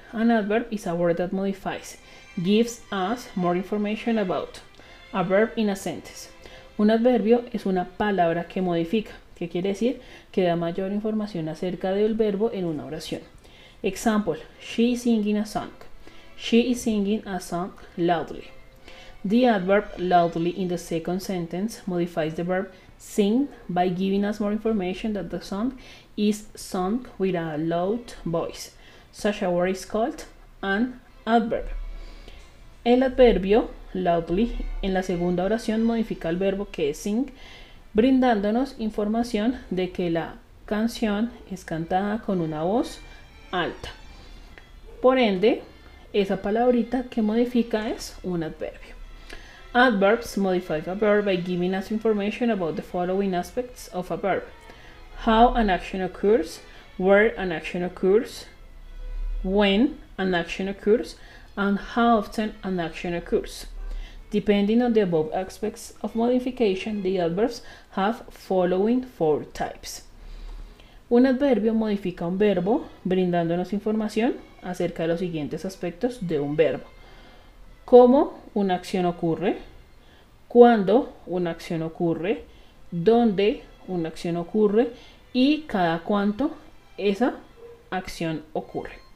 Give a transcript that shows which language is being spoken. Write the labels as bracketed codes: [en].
[en] An adverb is a word that modifies, gives us more information about. A verb in a sentence. [es] Un adverbio es una palabra que modifica, que quiere decir que da mayor información acerca del verbo en una oración. [en] Example: She is singing a song. She is singing a song loudly. The adverb loudly in the second sentence modifies the verb sing by giving us more information that the song is sung with a loud voice. Such a word is called an adverb. [es] El adverbio loudly en la segunda oración modifica el verbo que es sing, brindándonos información de que la canción es cantada con una voz alta. Por ende, esa palabrita que modifica es un adverbio. [en] Adverbs modify a verb by giving us information about the following aspects of a verb: how an action occurs, where an action occurs, when an action occurs, and how often an action occurs. Depending on the above aspects of modification, the adverbs have following four types. [es] Un adverbio modifica un verbo, brindándonos información acerca de los siguientes aspectos de un verbo: cómo una acción ocurre, cuándo una acción ocurre, dónde una acción ocurre y cada cuánto esa acción ocurre.